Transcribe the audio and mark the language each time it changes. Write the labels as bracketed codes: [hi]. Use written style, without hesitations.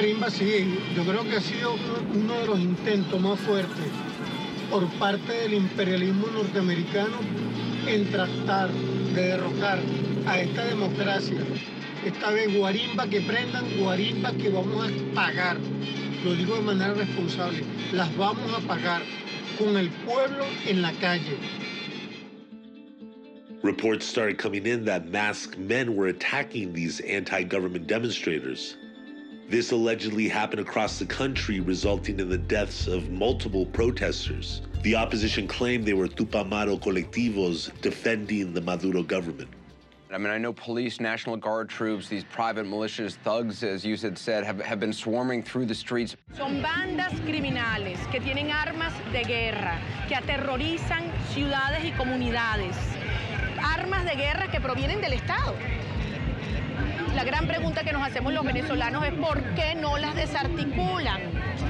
[es] Sí, yo creo que ha sido uno de los intentos más fuertes por parte del imperialismo norteamericano en tratar de derrocar a esta democracia. Esta vez guarimba que prendan, guarimba que vamos a pagar. Lo digo de manera responsable, las vamos a pagar con el pueblo en la calle. [en] Reports started coming in that masked men were attacking these anti-government demonstrators. This allegedly happened across the country, resulting in the deaths of multiple protesters. The opposition claimed they were Tupamaro colectivos defending the Maduro government. I mean, I know police, National Guard troops, these private militias, thugs, as you said, have been swarming through the streets. [es] Son bandas criminales que tienen armas de guerra, que aterrorizan ciudades y comunidades. Armas de guerra que provienen del Estado. La gran pregunta que nos hacemos los venezolanos es por qué no las desarticulan.